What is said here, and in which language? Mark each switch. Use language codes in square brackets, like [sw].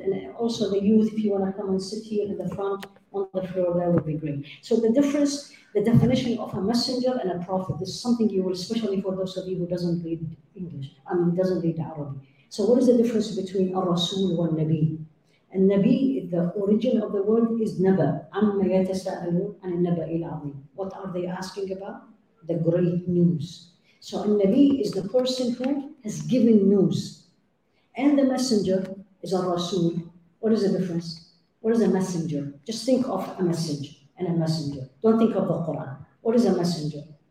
[en] And also the youth, if you want to come and sit here in the front, on the floor, that would be great. So the difference, the definition of a messenger and a prophet, this is something you will, especially for those of you who doesn't read English, I mean, doesn't read Arabic. So what is the difference between a Rasul and a Nabi? النبي, the origin of the word is نبأ. [ar] عما يتساءلون عن النبأ العظيم. [en] What are they asking about? The great news. So النبي is the person who has given news. And the messenger is a rasul. What is the difference? What is a messenger? Just think of a message and a messenger. Don't think of the Quran. What is a messenger?